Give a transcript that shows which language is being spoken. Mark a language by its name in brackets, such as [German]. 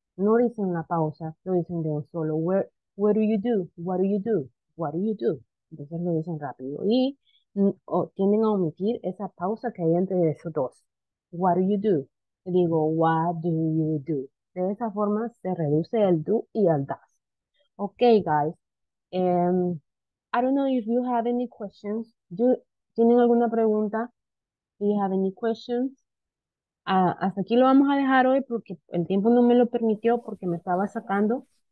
[Spanish] No dicen la pausa, lo dicen de un solo. [English] What do you do? What do you do? What do you do? [Spanish] Entonces lo dicen rápido. Y tienden a omitir esa pausa que hay entre esos dos. [English] What do you do? [Spanish] Y digo, [English] what do you do? [Spanish] De esa forma se reduce el do y el does. [English] Okay, guys. I don't know if you have any questions. [Spanish] ¿Tienen alguna pregunta? [English] Do you have any questions? [Spanish] Hasta aquí lo vamos a dejar hoy porque el tiempo no me lo permitió porque me estaba sacando.